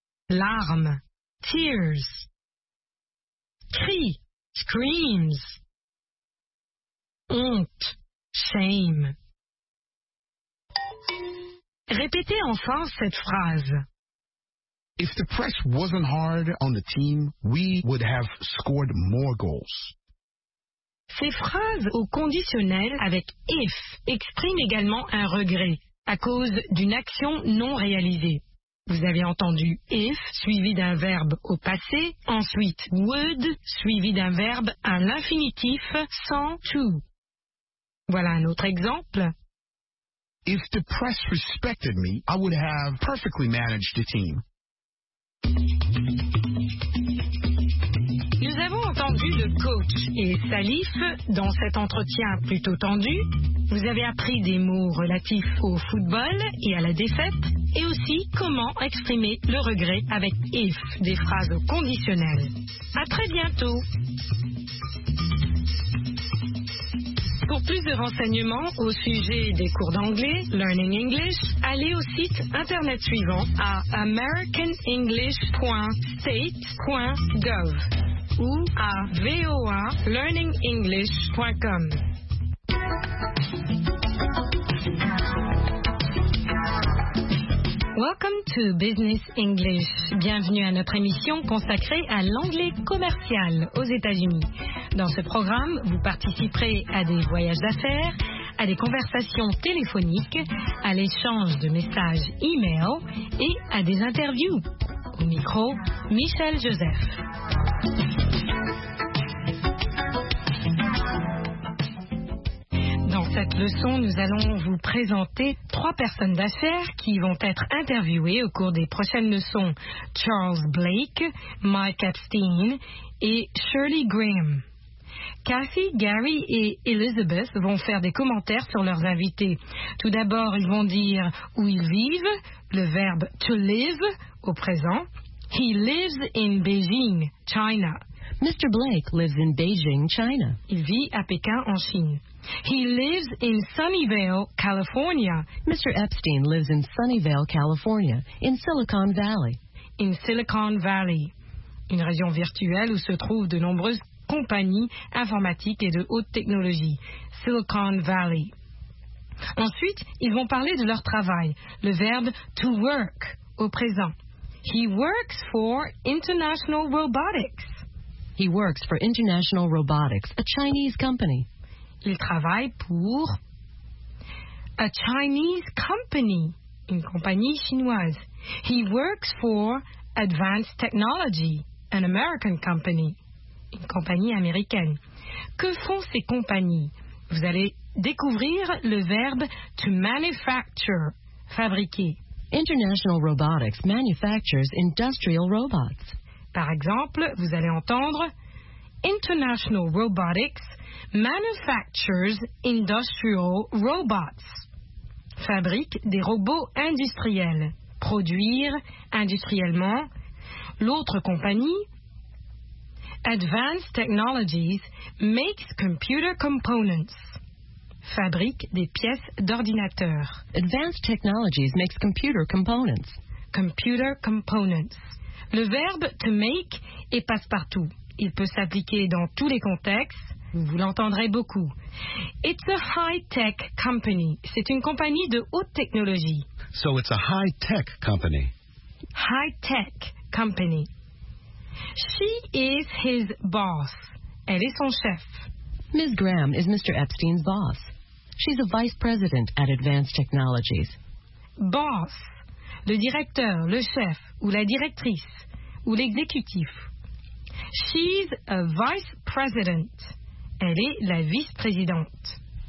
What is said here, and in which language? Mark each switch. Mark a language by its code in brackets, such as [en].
[fr] Larmes, tears. Cri, screams. Honte, shame. Répétez enfin cette phrase. [en] If the press wasn't hard on the team, we would have scored more goals. [fr] Ces phrases au conditionnel avec if expriment également un regret à cause d'une action non réalisée. Vous avez entendu if suivi d'un verbe au passé, ensuite would suivi d'un verbe à l'infinitif sans to. Voilà un autre exemple. [en] If the press respected me, I would have perfectly managed the team. [fr] Nous avons entendu le coach et Salif dans cet entretien plutôt tendu. Vous avez appris des mots relatifs au football et à la défaite, et aussi comment exprimer le regret avec if, des phrases conditionnelles. À très bientôt. Pour plus de renseignements au sujet des cours d'anglais, Learning English, allez au site internet suivant à americanenglish.state.gov ou à voalearningenglish.com. [en] Welcome to Business English. [fr] Bienvenue à notre émission consacrée à l'anglais commercial aux États-Unis. Dans ce programme, vous participerez à des voyages d'affaires, à des conversations téléphoniques, à l'échange de messages e-mail et à des interviews. Au micro, Michel Joseph. Cette leçon, nous allons vous présenter trois personnes d'affaires qui vont être interviewées au cours des prochaines leçons. Charles Blake, Mike Epstein et Shirley Graham. Cathy, Gary et Elizabeth vont faire des commentaires sur leurs invités. Tout d'abord, ils vont dire où ils vivent, le verbe to live au présent. [en] He lives in Beijing, China. Mr. Blake lives in Beijing, China. [fr] Il vit à Pékin, en Chine. [en] He lives in Sunnyvale, California. Mr. Epstein lives in Sunnyvale, California, in Silicon Valley. [fr] In Silicon Valley, une région virtuelle où se trouvent de nombreuses compagnies informatiques et de haute technologie. Silicon Valley. Ensuite, ils vont parler de leur travail, le verbe to work au présent. [en] He works for International Robotics. He works for International Robotics, a Chinese company. [fr] Il travaille pour [en] a Chinese company, [fr] une compagnie chinoise. [en] He works for Advanced Technology, an American company, [fr] une compagnie américaine. Que font ces compagnies? Vous allez découvrir le verbe to manufacture, fabriquer. [en] International Robotics manufactures industrial robots. [fr] Par exemple, vous allez entendre [en] International Robotics manufactures industrial robots. [fr] Fabrique des robots industriels. Produire industriellement. L'autre compagnie, [en] Advanced Technologies makes computer components. [fr] Fabrique des pièces d'ordinateur. [en] Advanced Technologies makes computer components. Computer components. [fr] Le verbe to make est passe-partout. Il peut s'appliquer dans tous les contextes. Vous l'entendrez beaucoup. [en] It's a high-tech company. [fr] C'est une compagnie de haute technologie. [en] So it's a high-tech company. High-tech company. She is his boss. [fr] Elle est son chef. [en] Ms. Graham is Mr. Epstein's boss. She's a vice president at Advanced Technologies. Boss. [fr] Le directeur, le chef ou la directrice ou l'exécutif. [en] She's a vice president. [fr] Elle est la vice-présidente.